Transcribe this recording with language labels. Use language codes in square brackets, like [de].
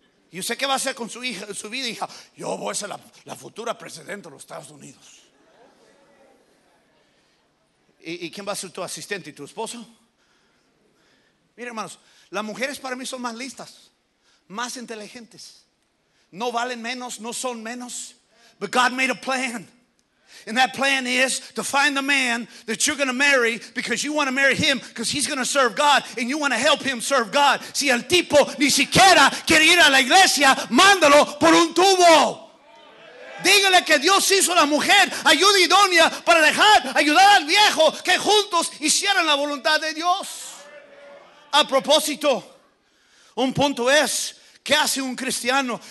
[es] ¿Y usted qué va a hacer con su hija, su vida, hija? Yo voy a ser la futura presidenta de los Estados Unidos. ¿Y quién va a ser tu asistente y tu esposo? Mira, hermanos, las mujeres para mí son más listas, más inteligentes. No valen menos, no son menos. [en] But God made a plan. And that plan is to find the man that you're going to marry because you want to marry him because he's going to serve God and you want to help him serve God. [es] Si el tipo ni siquiera quiere ir a la iglesia, mándalo por un tubo. Dígale que Dios hizo la mujer ayuda idónea para dejar ayudar al viejo que juntos hicieran la voluntad de Dios. A propósito, un punto es, ¿qué hace un cristiano?